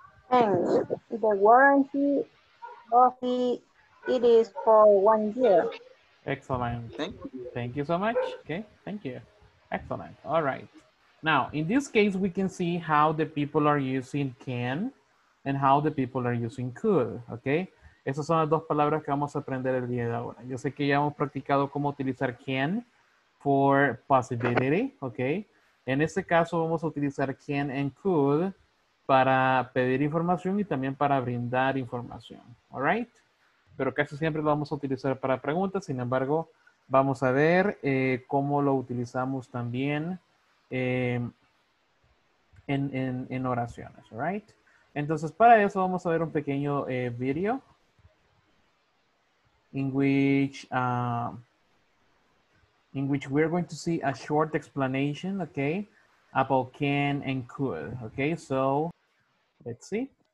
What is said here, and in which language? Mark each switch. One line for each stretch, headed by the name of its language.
English: Thanks. The warranty of it is for 1 year. Excellent. Thank you. Thank you so much. Okay, thank you. Excellent. All right. Now, in this case, we can see how the people are using can and how the people are using could. Okay.
Spanish: Esas son las dos palabras que vamos a aprender el día de ahora. Yo sé que ya hemos practicado cómo utilizar can for possibility. Okay. En este caso, vamos a utilizar can and could para pedir información y también para brindar información. All right. Pero casi siempre lo vamos a utilizar para preguntas. Sin embargo, vamos a ver cómo lo utilizamos también en oraciones.
English: All right.
Spanish: Entonces, para eso vamos a ver un pequeño video
English: in which we're going to see a short explanation, okay, about can and could. Okay, so let's see.